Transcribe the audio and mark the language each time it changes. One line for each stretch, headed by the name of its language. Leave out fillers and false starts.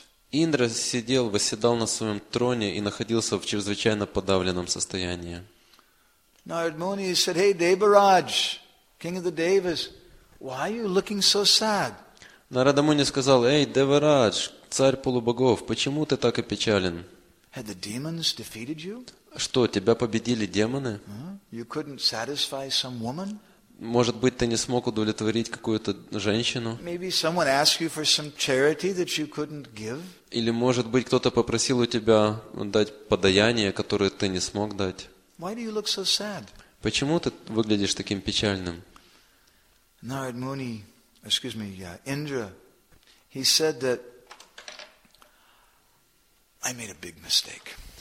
Russian: Индра сидел, восседал на своем троне и находился в чрезвычайно подавленном состоянии.
English: Narada Muni said, "Hey, Devaraj, king of the Devas, why are you looking so sad?"
Russian: Нарада Муни сказал: "Эй, Деварадж, царь полубогов, почему ты так опечален?"
English: Had the demons defeated you?
Russian: Что, тебя победили демоны?
English: You couldn't satisfy some woman?
Russian: Может быть, ты не смог удовлетворить какую-то женщину?
English: Maybe someone asked you for some charity that you couldn't give?
Russian: Или, может быть, кто-то попросил у тебя дать подаяние, которое ты не смог дать?
English: Why do you look so sad?
Russian: Почему ты выглядишь таким печальным?
English: Narada Muni, excuse me, Indra, he said that I made a big mistake.